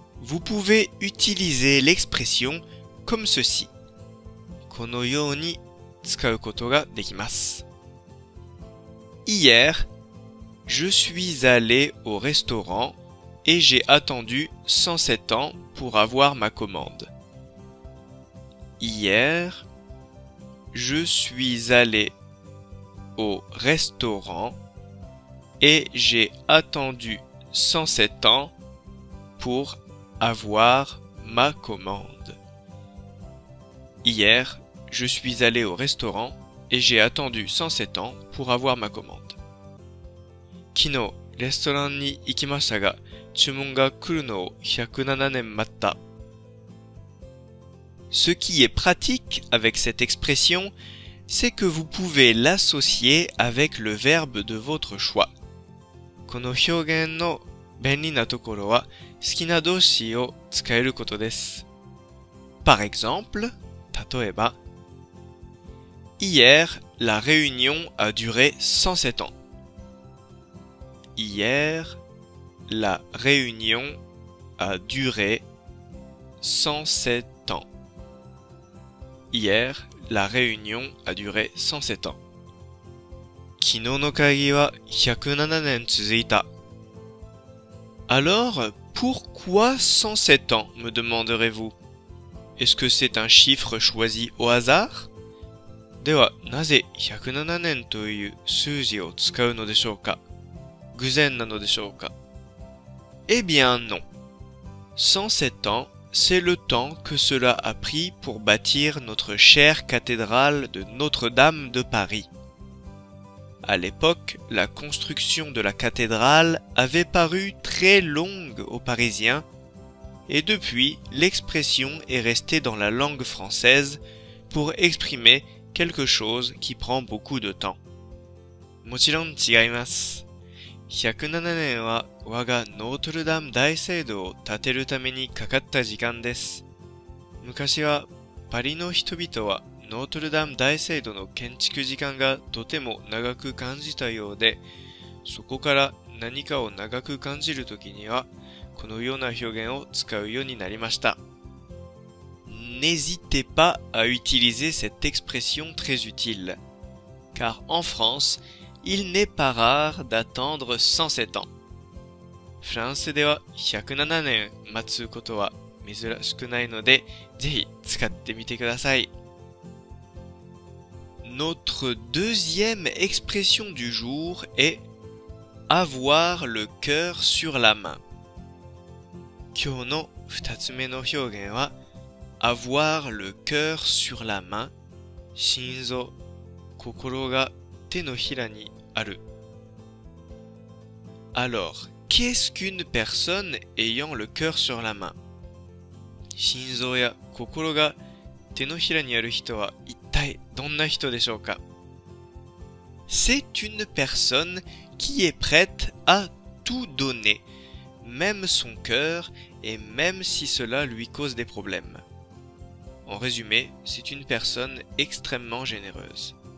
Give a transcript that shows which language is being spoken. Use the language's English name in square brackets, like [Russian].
[French] vous pouvez utiliser l'expression comme ceci. [Japanese] このように使うことができます。 [French] Hier, je suis allé au restaurant et j'ai attendu 107 ans pour avoir ma commande. Hier, je suis allé au restaurant et j'ai attendu 107 ans pour avoir ma commande. Hier, je suis allé au restaurant et j'ai attendu 107 ans pour avoir ma commande. [Japanese] 昨日、レストランに行きましたが、注文が来るのを107年待った。 [French] Ce qui est pratique avec cette expression, c'est que vous pouvez l'associer avec le verbe de votre choix. [Japanese] この表現の便利なところは、好きな動詞を使えることです。 [French] Par exemple, [Japanese] 例えば、 [French] Hier, la réunion a duré 107 ans. Hier, la réunion a duré 107 ans. Hier, la réunion a duré 107 ans. [Japanese] 昨日の会議は107年続いた。 [French] Alors, pourquoi 107 ans, me demanderez-vous? Est-ce que c'est un chiffre choisi au hasard? [Japanese] では、なぜ107年という数字を使うのでしょうか? 偶然なのでしょうか? [French] Eh bien non. 107 ans, c'est le temps que cela a pris pour bâtir notre chère cathédrale de Notre-Dame de Paris. À l'époque, la construction de la cathédrale avait paru très longue aux Parisiens, et depuis, l'expression est restée dans la langue française pour exprimer quelque chose qui prend beaucoup de temps. [Japanese] もちろん違います。 107年は我がノートルダム大聖堂を建てるためにかかった時間です。昔はパリの人々はノートルダム大聖堂の建築時間がとても長く感じたようで、そこから何かを長く感じるときにはこのような表現を使うようになりました。 [French] N'hésitez pas à utiliser cette expression très utile, car en France, il n'est pas rare d'attendre 107 ans. [Japanese] フランスでは107年待つことは珍しくないので、ぜひ使ってみてください。 [French] Notre deuxième expression du jour est avoir le cœur sur la main. [Japanese] 今日の二つ目の表現は [French] Avoir le cœur sur la main. [Japanese] 心臓、心が手のひらにある。 [French] Alors, qu'est-ce qu'une personne ayant le cœur sur la main? [Japanese] 心臓や心が手のひらにある人は一体どんな人でしょうか? [French] C'est une personne qui est prête à tout donner, même son cœur et même si cela lui cause des problèmes. En résumé, c'est une personne extrêmement généreuse.